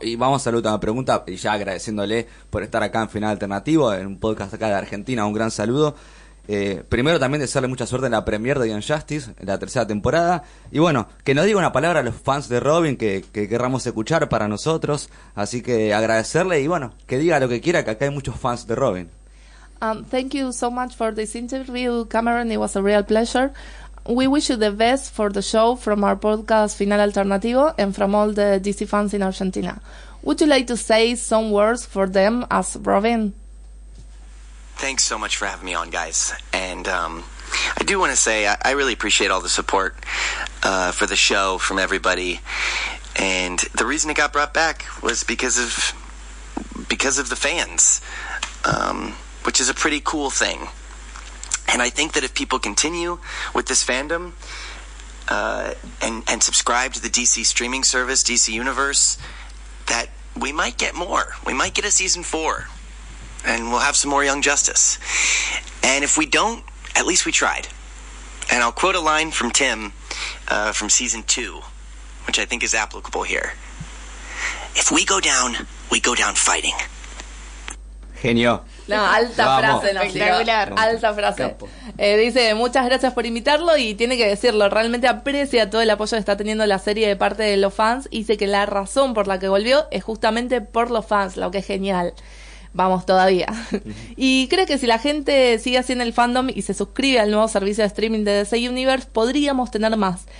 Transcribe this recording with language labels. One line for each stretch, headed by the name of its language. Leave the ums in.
Spanish: Y vamos a la última pregunta, y ya agradeciéndole por estar acá en Final Alternativo, en un podcast acá de Argentina, un gran saludo. Eh, primero también desearle mucha suerte en la premier de Ian Justice, en la tercera temporada. Y bueno, que nos diga una palabra a los fans de Robin que, que querramos escuchar para nosotros. Así que agradecerle y bueno, que diga lo que quiera, que acá hay muchos fans de Robin.
English: Um, thank you so much for this interview, Cameron. It was a real pleasure. We wish you the best for the show from our podcast Final Alternativo and from all the DC fans in Argentina. Would you like to say some words for them as Robin? thanks so much for having me on, guys. And um, I do want to say I, I really appreciate all the support uh, for the show from everybody. And the reason it got brought back was because of because of the fans, um, which is a pretty cool thing. And I think that if people continue with this fandom uh, and and subscribe to the DC streaming service, DC Universe, that we might get more. We might get a season four and we'll have some more Young Justice. And if we don't, at least we tried. And I'll quote a line from Tim uh, from season two, which I think is applicable here. If we go down, we go down fighting.
Spanish: Genio. No, alta Vamos. frase, no, Espectacular. chicos. Alta frase. Capo. Eh, dice, muchas gracias por invitarlo y tiene que decirlo, realmente aprecia todo el apoyo que está teniendo la serie de parte de los fans y dice que la razón por la que volvió es justamente por los fans, lo que es genial. Vamos todavía. y creo que si la gente sigue haciendo el fandom y se suscribe al nuevo servicio de streaming de DC Universe, podríamos tener más.